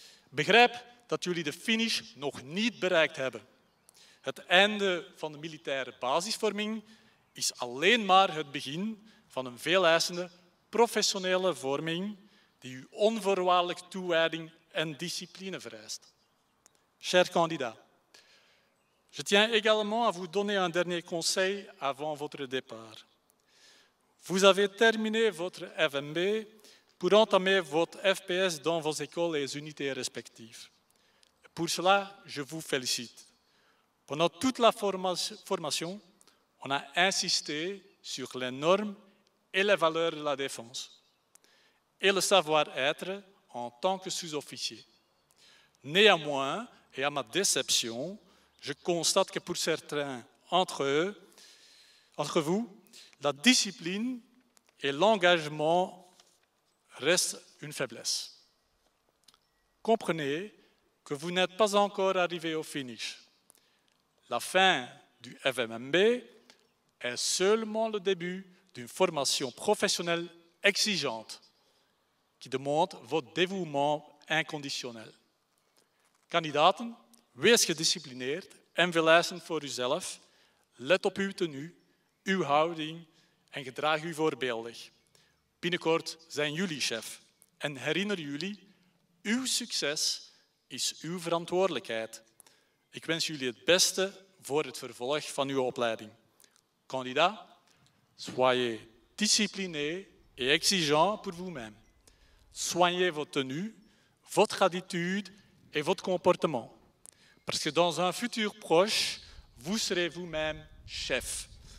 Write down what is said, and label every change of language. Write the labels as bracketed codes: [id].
[nl] Begrijp dat jullie de finish nog niet bereikt hebben. Het einde van de militaire basisvorming is alleen maar het begin van een veeleisende professionele vorming die u onvoorwaardelijk toewijding en discipline vereist. [fr] Cher candidat, je tiens également à vous donner un dernier conseil avant votre départ. Vous avez terminé votre FMB pour entamer votre FPS dans vos écoles et unités respectives. Pour cela, je vous félicite. Pendant toute la formation, on a insisté sur les normes et les valeurs de la défense et le savoir-être en tant que sous-officier. Néanmoins, et à ma déception, je constate que pour certains entre vous, la discipline et l'engagement restent une faiblesse. Comprenez que vous n'êtes pas encore arrivé au finish. La fin du FMMB est seulement le début d'une formation professionnelle exigeante qui demande votre dévouement inconditionnel. [nl] Kandidaten, wees gedisciplineerd en verlijzend voor uzelf. Let op uw tenue, uw houding en gedraag u voorbeeldig. Binnenkort zijn jullie chef en herinner jullie, uw succes is uw verantwoordelijkheid. Ik wens jullie het beste voor het vervolg van uw opleiding. [fr] Candidat, soyez discipliné et exigeant pour vous-même. Soignez votre tenue, votre attitude et votre comportement. Parce que dans un futur proche, vous serez vous-même chef.